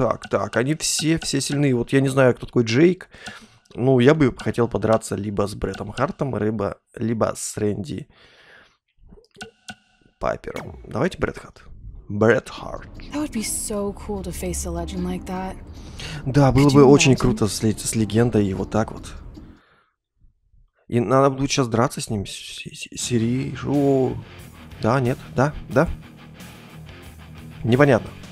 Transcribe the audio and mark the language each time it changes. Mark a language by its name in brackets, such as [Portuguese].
[Russian] Так. Они все сильны. Вот я не знаю, кто такой Джейк. Ну, я бы хотел подраться либо с Бреттом Хартом, либо с Рэнди Пайпером. Давайте Бретт Харт. Бретт Харт. [English] That would be so cool to face a legend like that. [Russian] Да, было бы очень круто с легендой и вот так вот. И надо будет сейчас драться с ним. Сережу. Да, нет, да. Непонятно.